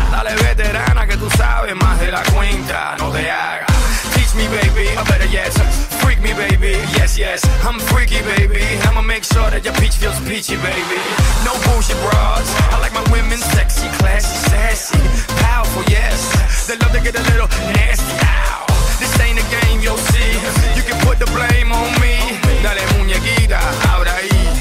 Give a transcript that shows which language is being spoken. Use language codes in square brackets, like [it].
[es] Dale veterana que tú sabes más de la cuenta, no te hagas. [en] Teach me, baby, I better yes. Freak me, baby, yes, yes. I'm freaky, baby. I'ma make sure that your peach feels peachy, baby. No bullshit bras. I like my women sexy, classy, sassy, powerful, yes. They love to get a little nasty. Ow. This ain't a game, you'll see. You can put the blame on me. [es] Dale muñequita, ahora ahí.